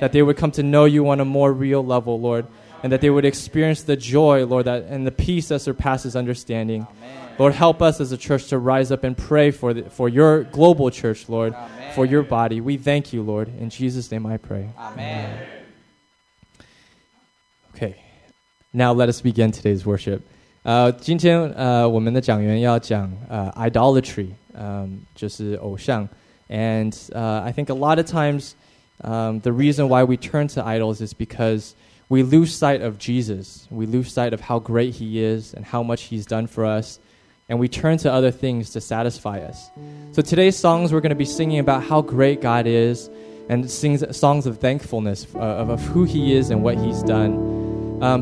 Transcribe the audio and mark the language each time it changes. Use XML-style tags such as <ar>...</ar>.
<en>That they would come to know you on a more real level, Lord, and that they would experience the joy, Lord, that and the peace that surpasses understanding. Amen. Lord, help us as a church to rise up and pray for your global church, Lord, Amen. For your body. We thank you, Lord. In Jesus' name I pray. Amen. Okay. Now let us begin today's worship.</en> <zh>今天我们的讲员要讲idolatry, 就是偶像.</zh> <en>And I think a lot of times the reason why we turn to idols is because we lose sight of Jesus. We lose sight of how great he is and how much he's done for us. And we turn to other things to satisfy us. So today's songs, we're going to be singing about how great God is and sing songs of thankfulness of who he is and what he's done.</en>